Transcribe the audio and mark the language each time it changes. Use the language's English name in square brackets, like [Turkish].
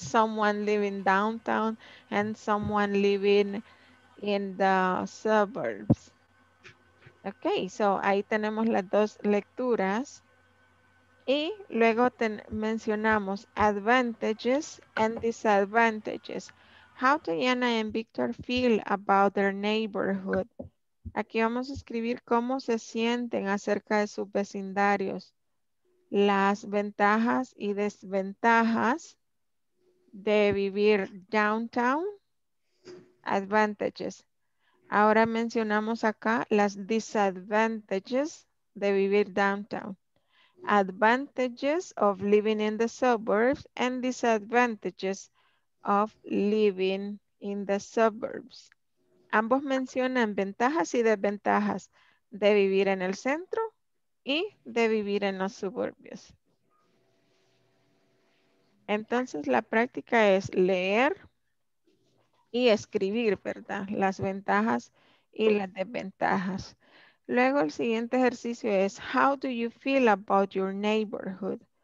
[English] Someone living downtown and someone living in the suburbs. [Spanish] Okay, so ahí tenemos las dos lecturas. Y luego mencionamos [English] advantages and disadvantages. How do Diana and Victor feel about their neighborhood? [Spanish] Aquí vamos a escribir cómo se sienten acerca de sus vecindarios. Las ventajas y desventajas de vivir downtown. Advantages. Ahora mencionamos acá las disadvantages de vivir downtown. [English] Advantages of living in the suburbs and disadvantages of living in the suburbs. [Spanish] Ambos mencionan ventajas y desventajas de vivir en el centro y de vivir en los suburbios. Entonces la práctica es leer y escribir, ¿verdad? Las ventajas y las desventajas. Luego el siguiente ejercicio es, [English] how do you feel about your neighborhood?